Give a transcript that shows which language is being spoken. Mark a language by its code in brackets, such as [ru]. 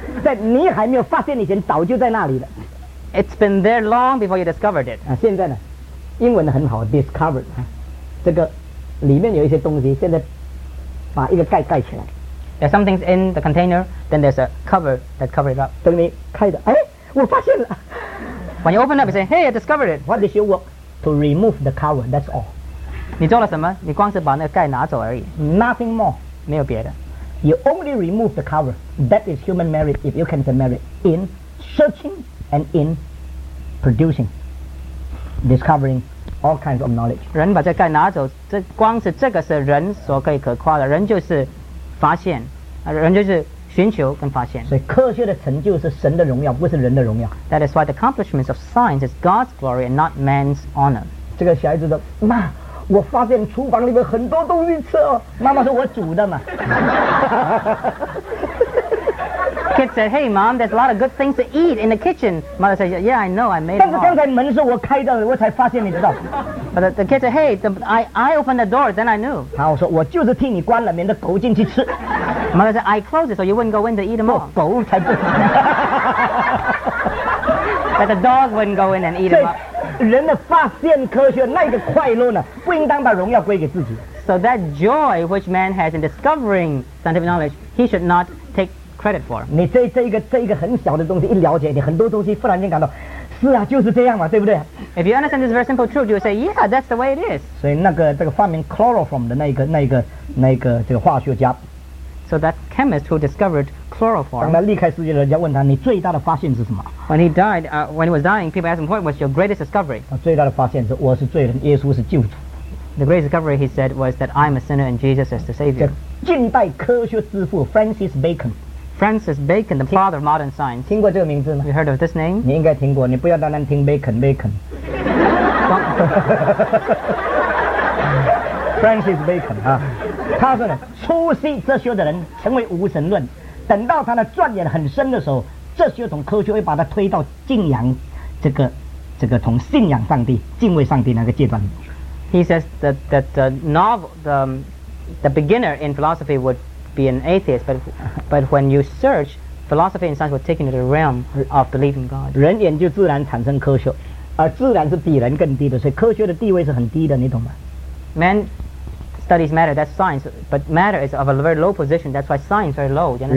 [zh] 在你还没有发现以前，早就在那里了。 [en] It's been there long before you discovered it。 [zh] 啊，现在呢，英文很好 ，discovered 啊，这个里面有一些东西，现在把一个盖盖起来。 [en] There's something in the container, then there's a cover that covers it up。 [zh] 等你开的，哎，我发现了。 [en] When you open up, you say, "Hey, I discovered it." What is your work? To remove the cover. That's all. [zh] 你做了什么？你光是把那个盖拿走而已。 [en] Nothing more. [zh] 没有别的。 [en] You only remove the cover. That is human merit, if you can say merit, in searching and in producing, discovering all kinds of knowledge. [zh] 人把这盖拿走，这光是这个是人所可以可夸的。人就是发现，人就是寻求跟发现。所以科学的成就是神的荣耀，不是人的荣耀。 [en] That is why the accomplishments of science is God's glory and not man's honor. [zh] 这个小孩子的妈。我发现厨房里面很多东西吃哦妈妈说我煮的嘛 [en] Kid said, hey mom, there's a lot of good things to eat in the kitchen. Mother said, yeah, I know, I made it. [zh] 但是刚才门是我开的我才发现你知道 [en] But the kid said, hey, I opened the door, then I knew. [zh] 好我说我就是替你关了免得狗进去吃 [en] Mother said, I closed it, so you wouldn't go in to eat them all. [zh] 狗才不 [en] That the dog wouldn't go in and eat them all. [zh] 人的发现科学那个快乐呢不应当把荣耀归给自己 [en] So that joy which man has in discovering scientific knowledge he should not take credit for [zh] 你这一个很小的东西一了解你很多东西忽然间感到是啊就是这样嘛对不对 [en] If you understand this very simple truth you say yeah that's the way it is [zh] 所以这个发明 chloroform 的那个这个化学家 [en] So that chemist who discovered chloroform. [zh] 当他离开世界了，人家问他, 你最大的发现是什么? [en] When he died, when he was dying, people asked him, what was your greatest discovery? [zh] 最大的发现是我是罪人, 耶稣是救主。 [en] The greatest discovery, he said, was that I'm a sinner and Jesus is the Savior. [zh] 近代科学之父, Francis Bacon. [en] Francis Bacon, the father of modern science. [zh] 听过这个名字吗? [en] You heard of this name? [zh] 你应该听过, 你不要单单听Bacon, Bacon. Francis Bacon, 他说初识这些的人成为无神论, 等到他的钻研很深的时候, 这些从科学会把他推到敬仰, 这个从信仰上帝, 敬畏上帝那个阶段。 [en] He says that the novel, the beginner in philosophy would be an atheist, but when you search, philosophy and science would take you to the realm of believing God. [zh] 人研究自然产生科学, 而自然是比人更低的, 所以科学的地位是很低的, 你懂吗? [en] Man studies matter, that's science, but matter is of a very low position, that's why science is very low, you understand?